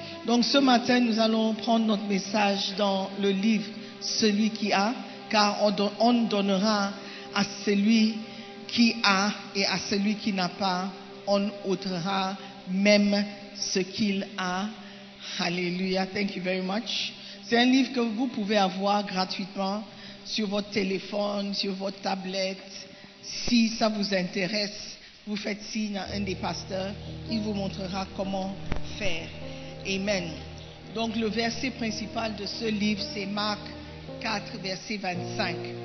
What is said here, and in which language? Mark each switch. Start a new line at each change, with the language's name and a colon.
French: Donc ce matin, nous allons prendre notre message dans le livre « Celui qui a », car on donnera à celui qui a et à celui qui n'a pas, on ôtera même ce qu'il a.
English: Alléluia, thank you very much.
French: C'est un livre que vous pouvez avoir gratuitement sur votre téléphone, sur votre tablette. Si ça vous intéresse, vous faites signe à un des pasteurs, il vous montrera comment faire. Amen. Donc le verset principal de ce livre, c'est Marc 4, verset 25.